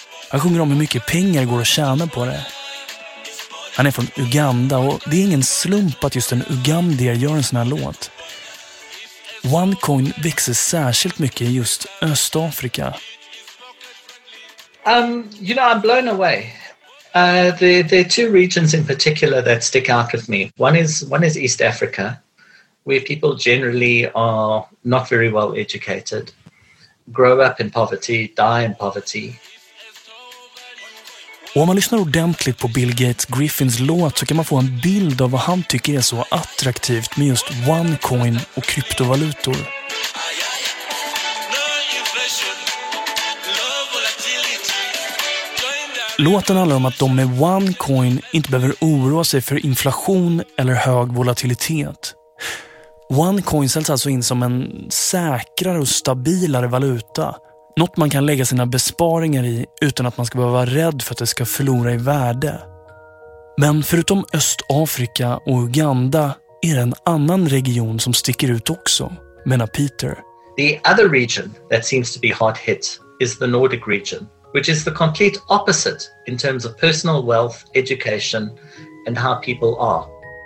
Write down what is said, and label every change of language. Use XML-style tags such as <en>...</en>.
<sv>Han sjunger om hur mycket pengar går att tjäna på det. Han är från Uganda och det är ingen slump att just en ugandier gör en sån här låt. OneCoin växer särskilt mycket i just Östafrika.</sv> <en>You know, I'm blown away. There are two regions in particular that stick out with me. One is East Africa, where people generally are not very well educated, grow up in poverty, die in poverty.</en> <sv>Och om man lyssnar ordentligt på Bill Gates Griffins låt så kan man få en bild av vad han tycker är så attraktivt med just OneCoin och kryptovalutor. Låten handlar om att de med OneCoin inte behöver oroa sig för inflation eller hög volatilitet. OneCoin säljs alltså in som en säkrare och stabilare valuta. Något man kan lägga sina besparingar i utan att man ska behöva vara rädd för att det ska förlora i värde. Men förutom Östafrika och Uganda är det en annan region som sticker ut också, menar Peter.</sv> <en>The other region that seems to be hard hit is the Nordic region, which is the complete opposite in terms of personal wealth, education and how people are.</en>